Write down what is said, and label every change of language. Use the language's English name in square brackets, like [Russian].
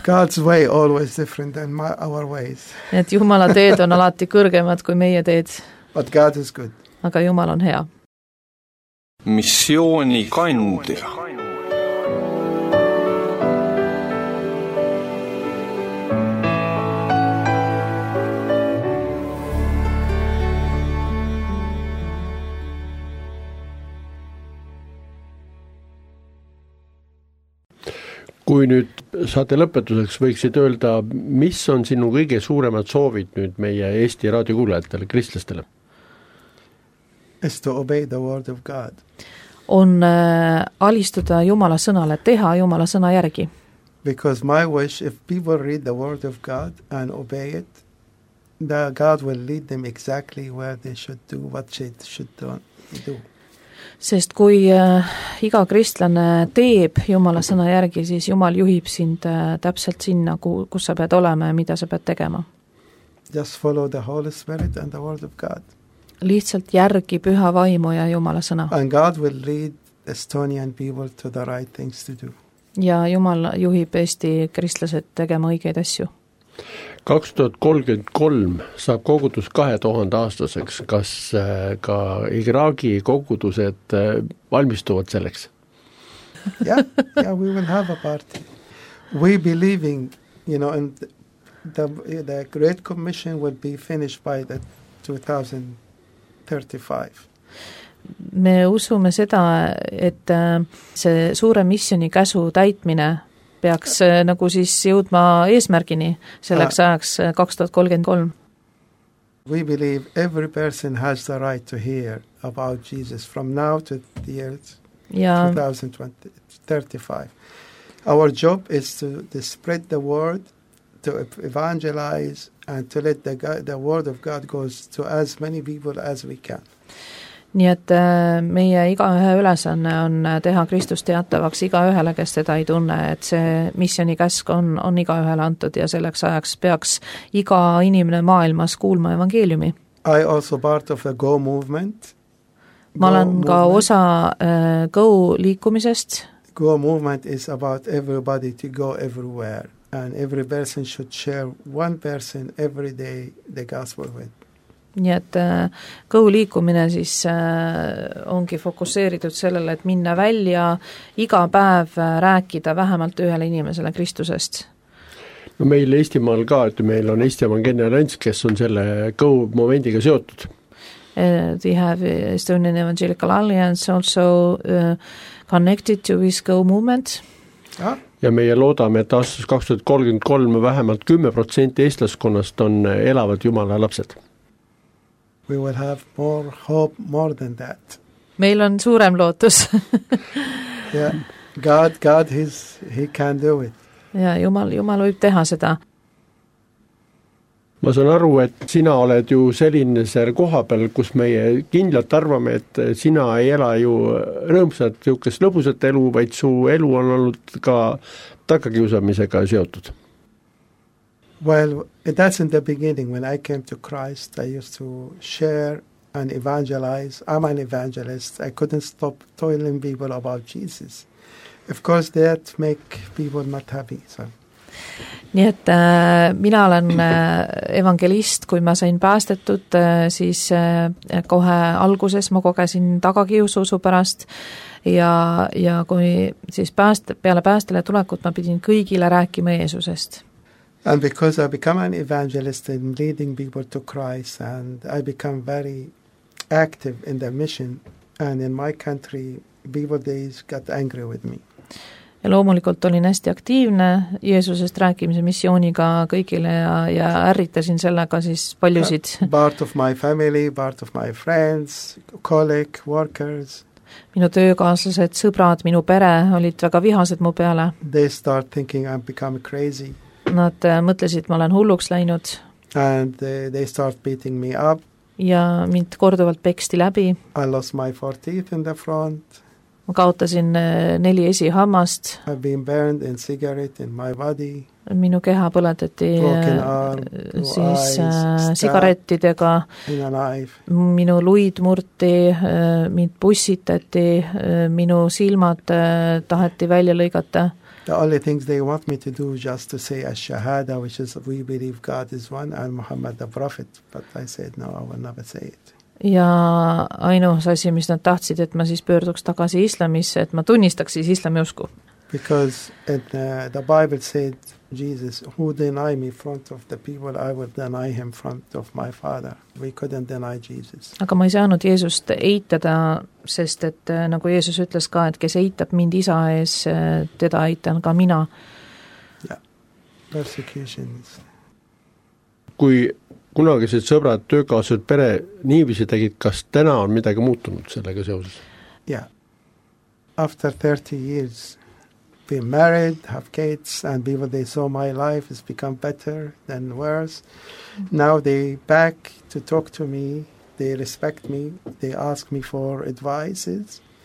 [English] God's way always different than our ways. [Estonian] Nii et Jumala teed on alati kõrgemad kui meie teed. [English] But God is good. [Estonian] Aga Jumal on hea. Missiooni kandja. Kui nüüd saate lõpetuseks võiksid öelda, mis on sinu kõige suuremad soovid nüüd meie Eesti raadiokuulajatele, kristlastele? [English] Is to obey the word of God. [Estonian] On alistuda Jumala sõnale, teha Jumala sõna järgi. [English] Because my wish, if people read the word of God and obey it, that God will lead them exactly where they should do, what they should do. [Estonian] Sest kui iga kristlane teeb Jumala sõna järgi, siis Jumal juhib sind täpselt sinna, kus sa pead olema ja mida sa pead tegema. [English] Just follow the Holy Spirit and the word of God. [Estonian] Lihtsalt järgi püha vaimu ja Jumala sõna. [English] And God will lead Estonian people to the right things to do. [Estonian] Ja Jumal juhib Eesti kristlased tegema õigeid asju. 2033 saab kogudus 2000 aastaseks. Kas ka Iraagi kogudused valmistuvad selleks? [English] Yeah, we will have a party. We believing, you know, and The Great Commission will be finished by the 2035. [Estonian] Me usume seda, et see suure missioni käsu täitmine peaks nagu siis jõudma eesmärgini selleks ajaks 2033. [English] We believe every person has the right to hear about Jesus from now to the year 2035. Our job is to spread the word, to evangelize and to let the word of God goes to as many people as we can. [Estonian] Nii et meie igaühe ülesanne on teha Kristust teatavaks igaühele, kes teda ei tunne, et see missioni käsk on igaühele antud ja selleks ajaks peaks iga inimene maailmas kuulma evangeeliumi. [English] I also part of a Go movement. [Estonian] Ma olen ka osa Go liikumisest. [English] Go movement is about everybody to go everywhere and every person should share one person every day the gospel with. [Estonian] Nii et kõhuliikumine siis ongi fokuseeritud sellele, et minna välja iga päev rääkida vähemalt ühele inimesele Kristusest. No meil Eestimaal ka, et meil on Eesti Evangeelne Allianss, kes on selle kõhumomendiga seotud. [English] We have Estonian Evangelical Alliance also connected to this kõhumoment. [Estonian] Ja meie loodame, et aastas 2033 vähemalt 10% eestlaskonnast on elavad Jumala lapsed. [English] We will have more hope more than that. [Estonian] Meil on suurem lootus. [English] Yeah. God he can do it. [Estonian] Ja Jumal võib teha seda. Ma saan aru, et sina oled ju selline seal koha peal, kus meie kindlalt arvame, et sina ei ela ju rõõmsat jukest lõbusat elu, vaid su elu on olnud ka takkakiusamisega seotud. [English] Well, that's in the beginning. When I came to Christ, I used to share and evangelize. I'm an evangelist. I couldn't stop telling people about Jesus. Of course, that make people not happy. So. [Estonian] Nii et mina olen evangelist, kui ma sain päästetud, siis kohe alguses ma kogesin tagakiususu pärast. Ja kui siis peale päästele tulekut, ma pidin kõigile rääkima Jeesusest. [English] And because I become an evangelist in leading people to Christ and I become very active in the mission and in my country, people days got angry with me. [Estonian] Ja loomulikult olin hästi aktiivne Jeesusest rääkimise missiooniga kõigile ja ärritasin sellega siis paljusid. [English] Part of my family, part of my friends, colleague, workers. [Estonian] Minu töökaaslased, sõbrad, minu pere olid väga vihased mu peale. [English] They start thinking I'm becoming crazy. [Estonian] Nad mõtlesid, ma olen hulluks läinud. [English] And they start beating me up. [Estonian] Ja mind korduvalt peksti läbi. [English] I lost my four teeth in the front. [Estonian] Ma kaotasin neli esihammast. [English] I've been burned in cigarette in my body. [Estonian] Minu keha põletati siis sigarettidega. [English] In a knife. [Estonian] Minu luid murti, mind pussitati, minu silmad taheti välja lõigata. [English] The only things they want me to do just to say a shahada, which is we believe God is one and Muhammad the prophet, but I said no, I will never say it. [Estonian] Ja ainus asja, mis nad tahtsid, et ma siis pöörduks tagasi islamisse, et ma tunnistaks siis islami usku. [English] Because the Bible said, Jesus, who deny me front of the people, I would deny him front of my father. We couldn't deny Jesus. [Estonian] Aga ma ei saanud Jeesust eitada, sest et nagu Jeesus ütles ka, et kes eitab mind isa ees, teda eitan ka mina. [English] Yeah. Persecutions. [Estonian] Kui kunagised sõbrad, töökaaslased, pere niivisi tegid, kas täna on midagi muutunud sellega seoses? [English] Yeah. After 30 years, been married, have kids, and people they saw my life has become better than worse. Now they back to talk to me, they respect me, they ask me for advices.